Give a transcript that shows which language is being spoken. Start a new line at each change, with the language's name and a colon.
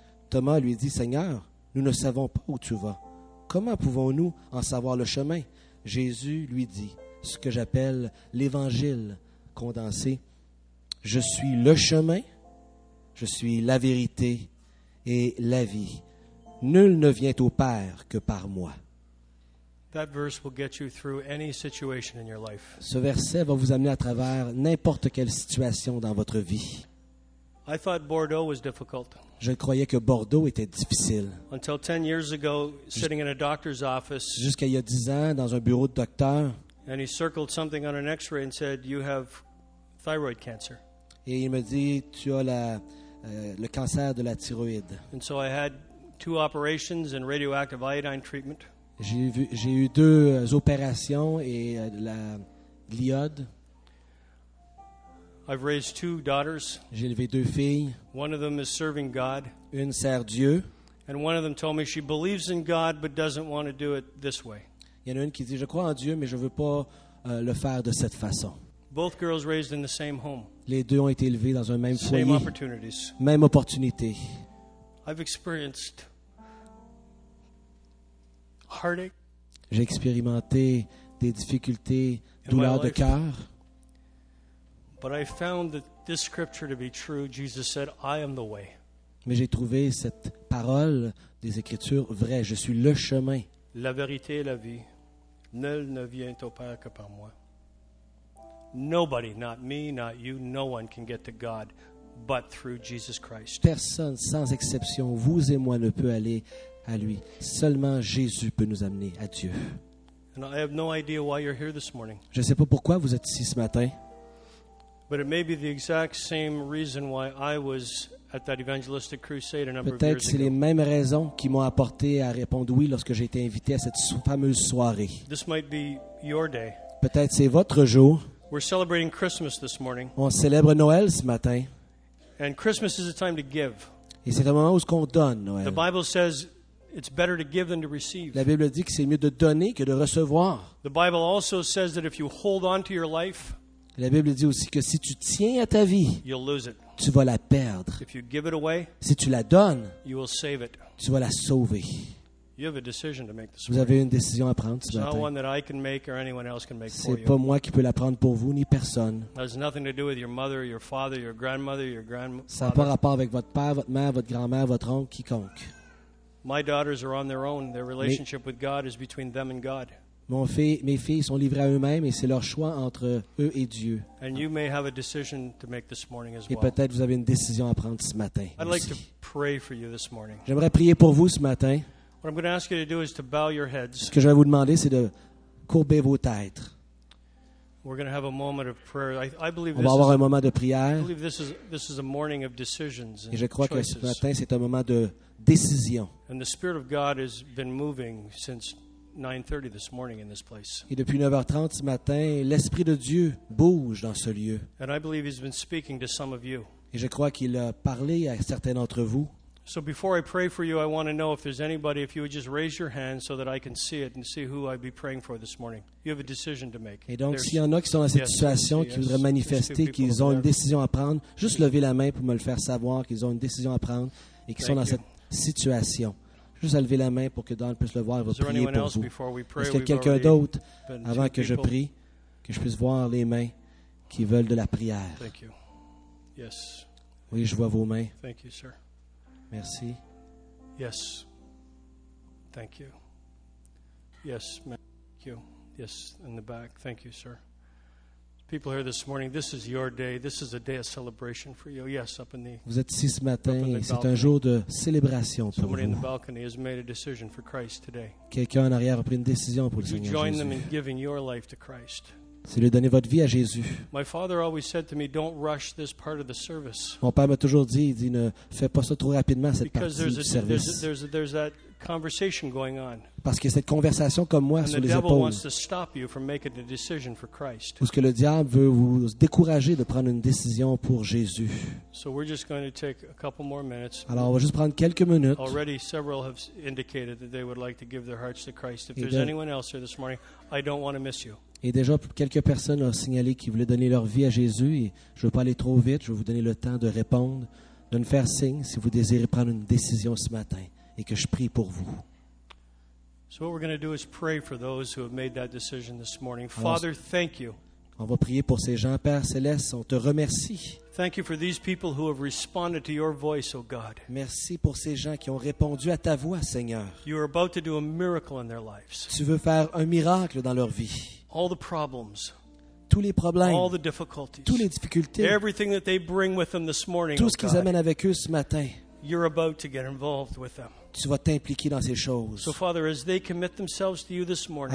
French: Thomas lui dit, Seigneur, nous ne savons pas où tu vas. Comment pouvons-nous en savoir le chemin? Jésus lui dit, ce que j'appelle l'évangile condensé, je suis le chemin, je suis la vérité et la vie. Nul ne vient au Père que par moi.
English: That verse will get you through any situation in your life.
French: Ce verset va vous amener à travers n'importe quelle situation dans votre vie.
English: I thought Bordeaux was difficult.
French: Je croyais que Bordeaux était difficile.
English: Until 10 years ago, sitting in a doctor's office.
French: Jusqu'à il y a 10 ans dans un bureau de docteur.
English: And he circled something on an X-ray and said, "You have thyroid cancer."
French: Et il me dit, tu as la le cancer de la thyroïde.
English: And so I had two operations and radioactive iodine treatment.
French: J'ai eu deux opérations et l'iode.
English: I've raised two daughters.
French: J'ai élevé deux filles.
English: One of them is serving God.
French: Une sert Dieu.
English: And one of them told me she believes in God but doesn't want to do it this way.
French: Il y en a une qui dit je crois en Dieu mais je veux pas le faire de cette façon.
English: Both girls raised in the same home.
French: Les deux ont été élevées dans un même foyer.
English: Same opportunities.
French: Même opportunité.
English: I've experienced heartache.
French: J'ai expérimenté des difficultés, douleurs de cœur.
English: But I found that this scripture to be true. Jesus said, "I am the way."
French: Mais j'ai trouvé cette parole des Écritures vraie. Je suis le chemin. La vérité et la vie. Nul ne vient au Père que par moi.
English: Nobody, not me, not you, no one can get to God but through Jesus Christ.
French: Personne, sans exception, vous et moi, ne peut aller à lui. Seulement Jésus peut nous amener à Dieu.
English: And I have no idea why you're here this morning.
French: Je ne sais pas pourquoi vous êtes ici ce matin.
English: But it may be the exact same reason why I was at that evangelistic crusade a number of years ago.
French: Peut-être c'est les mêmes raisons qui m'ont apporté à répondre oui lorsque j'ai été invité à cette fameuse soirée.
English: This might be your day.
French: Peut-être c'est votre jour.
English: We're celebrating Christmas this morning.
French: On célèbre Noël ce matin.
English: And Christmas is a time to give.
French: Et c'est un moment où on donne, Noël.
English: The Bible says it's better to give than to receive.
French: La Bible dit que c'est mieux de donner que de recevoir.
English: The Bible also says that if you hold on to your life,
French: la Bible dit aussi que si tu tiens à ta vie,
English: you'll lose it.
French: Tu vas la perdre.
English: If you give it away,
French: si tu la donnes,
English: you will save it.
French: Tu vas la sauver.
English: You have a decision to make this
French: vous avez une décision à prendre ce
English: it's
French: matin.
English: Not one that I can make or anyone else can make
French: c'est
English: for
French: pas
English: you.
French: Moi qui peux la prendre pour vous ni personne.
English: It has nothing to do with your mother, your father, your grandmother, your grandmother.
French: Ça n'a pas rapport avec votre père, votre mère, votre grand-mère, votre oncle, quiconque.
English: My daughters are on their own. Their relationship with God is between them and God.
French: Mes filles sont livrées à eux-mêmes et c'est leur choix entre eux et Dieu.
English: And you may have a decision to make this morning as well.
French: Et peut-être vous avez une décision à prendre ce matin.
English: I'd like to pray for you this morning.
French: J'aimerais prier pour vous ce matin.
English: What I'm going to ask you to do is to bow your heads.
French: Ce que je vais vous demander, c'est de courber vos têtes.
English: We're going to have a moment of prayer. I believe
French: on va avoir un moment de prière.
English: I believe this is a morning of decisions and
French: et je crois
English: choices.
French: Que ce matin, c'est un moment de décision.
English: And the Spirit of God has been moving since 9:30 this morning in this place.
French: Et depuis 9h30 ce matin, l'Esprit de Dieu bouge dans ce lieu.
English: And I believe he's been speaking to some of you.
French: Et je crois qu'il a parlé à certains d'entre vous.
English: So before I pray for you, I want to know if there's anybody, if you would just raise your hand so that I can see it and see who I'd be praying for this morning. You have a decision to make.
French: Et donc, s'il y en a qui sont dans cette situation, qui voudraient manifester qu'ils ont une décision à prendre, juste lever la main pour me le faire savoir qu'ils ont une décision à prendre et qu'ils sont dans cette situation. Juste à lever la main pour que Don puisse le voir et va prier pour vous. Est-ce qu'il y a quelqu'un d'autre avant que je prie, que je puisse voir les mains qui veulent de la prière? Oui, je vois vos mains. Merci.
English: Yes. Thank you. Yes, thank you. Yes, in the back. Thank you, sir. People here this morning, this is your day. This is a day of celebration for you. Yes, up in the
French: vous êtes ici ce matin et c'est un jour de célébration pour
English: somebody
French: vous.
English: In the balcony has made a decision for Christ today.
French: Quelqu'un en arrière a pris une décision pour le
English: you
French: Seigneur
English: join
French: Jésus.
English: Them in giving your life to Christ.
French: C'est lui donner votre vie à Jésus.
English: My father always said to me, don't rush this part of the service.
French: Mon père m'a toujours dit, il dit, ne fais pas ça trop rapidement cette
English: because
French: partie du service.
English: There's that conversation going on.
French: Parce qu'il y a cette conversation comme moi
English: and
French: sur les épaules. ce que le diable veut vous décourager de prendre une décision pour Jésus.
English: So we're just going to take a couple more minutes.
French: Alors, on va juste prendre quelques minutes.
English: Already several have indicated that they would like to give their hearts to Christ. If there's anyone else here this morning, I don't want to miss you.
French: Et déjà, quelques personnes ont signalé qu'ils voulaient donner leur vie à Jésus. Et je ne veux pas aller trop vite. Je vais vous donner le temps de répondre, de me faire signe si vous désirez prendre une décision ce matin et que je prie pour vous. Alors, on va prier pour ces gens. Père Céleste, on te remercie.
English: Thank you for these people who have responded to your voice, O God.
French: Merci pour ces gens qui ont répondu à ta voix, Seigneur.
English: You are about to do a miracle in their lives.
French: Tu veux faire un miracle dans leur vie.
English: All the problems,
French: tous les problèmes,
English: all the difficulties,
French: toutes les difficultés,
English: everything that they bring with them this morning,
French: tout ce qu'ils
English: God,
French: amènent avec eux ce matin.
English: you're about to get involved with them.
French: Tu vas t'impliquer dans ces choses.
English: So Father, as they commit themselves to you this morning,